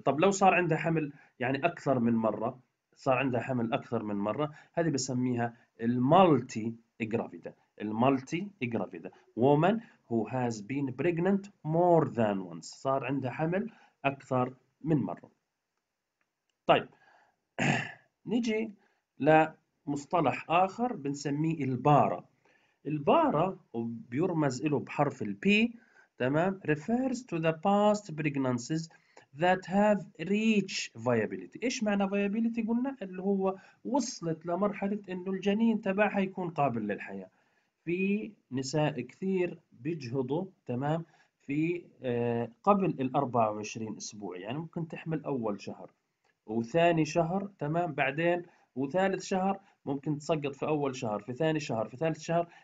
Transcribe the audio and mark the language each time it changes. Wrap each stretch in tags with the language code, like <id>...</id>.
<ar>طب لو صار عندها حمل يعني أكثر من مرة، صار عندها حمل أكثر من مرة، هذه بسميها المالتي جرافيدا. المالتي جرافيدا</ar> <en>woman who has been pregnant more than once،</en> <ar>صار عندها حمل أكثر من مرة. طيب نيجي لمصطلح آخر بنسميه البارا. البارا بيرمز له بحرف البي تمام،</ar> <en>refers to the past pregnancies that have reached viability.</en> <ar>ايش معنى viability؟ قلنا اللي هو وصلت لمرحلة انه الجنين تبعها يكون قابل للحياة. في نساء كثير بيجهضوا تمام في قبل ال 24 اسبوع، يعني ممكن تحمل اول شهر وثاني شهر تمام، بعدين وثالث شهر ممكن تسقط في اول شهر، في ثاني شهر، في ثالث شهر.</ar>